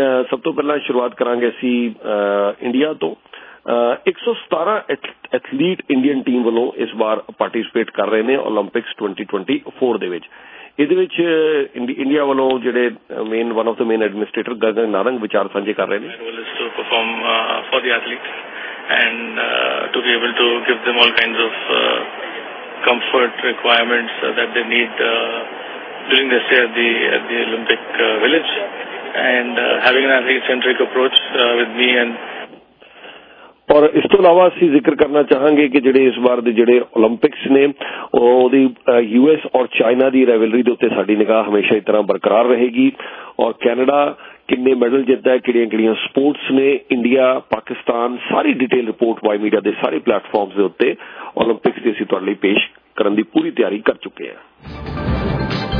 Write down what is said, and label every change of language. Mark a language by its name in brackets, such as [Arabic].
[Punjabi] ਸਭ ਤੋਂ ਪਹਿਲਾਂ ਸ਼ੁਰੂਆਤ ਕਰਾਂਗੇ ਅਸੀਂ ਇੰਡੀਆ ਤੋਂ। 117 ਐਥਲੀਟ ਇੰਡੀਅਨ ਟੀਮ ਵੱਲੋਂ ਇਸ ਵਾਰ ਪਾਰਟੀਸਪੇਟ ਕਰ ਰਹੇ ਨੇ ਓਲੰਪਿਕਸ 2024 ਦੇ ਵਿੱਚ। ਇਹਦੇ ਵਿੱਚ ਇੰਡੀਆ ਵੱਲੋਂ ਜਿਹੜੇ main [English] one of the main [Punjabi] administrator Gagan Narang ਵਿਚਾਰ ਸਾਂਝੇ ਕਰ ਰਹੇ ਨੇ। [English] And to be able to give them all kinds of comfort requirements that they need during the stay at the Olympic village, and having an athlete-centric approach with me and [Punjabi] ਔਰ ਇਸ ਤੋਂ ਇਲਾਵਾ ਅਸੀਂ ਜ਼ਿਕਰ ਕਰਨਾ ਚਾਹਾਂਗੇ ਕਿ ਜਿਹੜੇ ਇਸ ਵਾਰ ਦੇ ਜਿਹੜੇ ਓਲੰਪਿਕਸ ਨੇ ਉਹਦੀ US ਔਰ ਚਾਈਨਾ ਦੀ ਰਾਈਵਲਰੀ ਦੇ ਉੱਤੇ ਸਾਡੀ ਨਿਗਾਹ ਹਮੇਸ਼ਾ ਇਸ ਤਰ੍ਹਾਂ ਬਰਕਰਾਰ ਰਹੇਗੀ ਔਰ ਕੈਨੇਡਾ ਕਿੰਨੇ ਮੈਡਲ ਜਿੱਤਦਾ ਹੈ, ਕਿਹੜੀਆਂ ਕਿਹੜੀਆਂ ਸਪੋਰਟਸ ਨੇ, ਇੰਡੀਆ, ਪਾਕਿਸਤਾਨ, ਸਾਰੀ ਡਿਟੇਲ ਰਿਪੋਰਟ ਵਾਈ ਮੀਡੀਆ ਦੇ ਸਾਰੇ ਪਲੇਟਫਾਰਮ ਦੇ ਉੱਤੇ ਓਲੰਪਿਕਸ ਦੀ ਅਸੀਂ ਤੁਹਾਡੇ ਲਈ ਪੇਸ਼ ਕਰਨ ਦੀ ਪੂਰੀ ਤਿਆਰੀ ਕਰ ਚੁੱਕੇ ਹਾਂ।